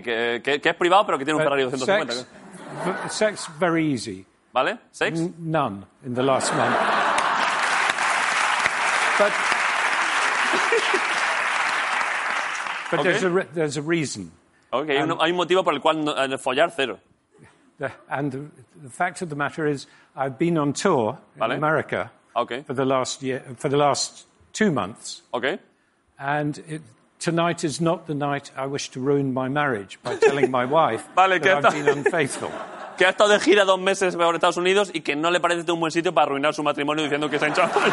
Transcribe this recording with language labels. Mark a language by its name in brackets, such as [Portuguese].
[Spanish] Que es privado, pero que tiene un Ferrari 250. [English] Sex, very easy. [Spanish] ¿Vale? Sex? [English] None in the last month. But... But okay. there's a reason. [Spanish] Okay, hay un motivo por el cual follar cero. [English] The fact of the matter is, I've been on tour in America for the last 2 months. Okay. And tonight is not the night I wish to ruin my marriage by telling my wife that I've been unfaithful. [Spanish] Que ha estado de gira 2 meses por Estados Unidos y que no le parece un buen sitio para arruinar su matrimonio diciendo que se ha hinchado.